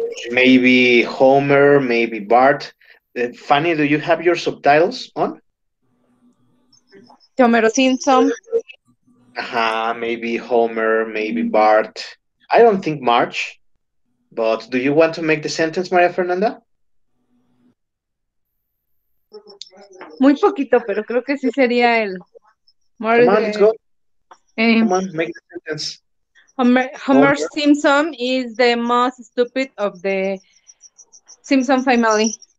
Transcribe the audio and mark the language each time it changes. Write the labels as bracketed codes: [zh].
[en] Maybe Homer, maybe Bart. Fanny, do you have your subtitles on? Homer Simpson. Maybe Homer, maybe Bart. I don't think Marge. But do you want to make the sentence, Maria Fernanda? [es] Muy poquito, pero creo que sí sería el. [en] More come on, let's go. Come on, make the sentence. Homer Simpson is the most stupid of the Simpson family.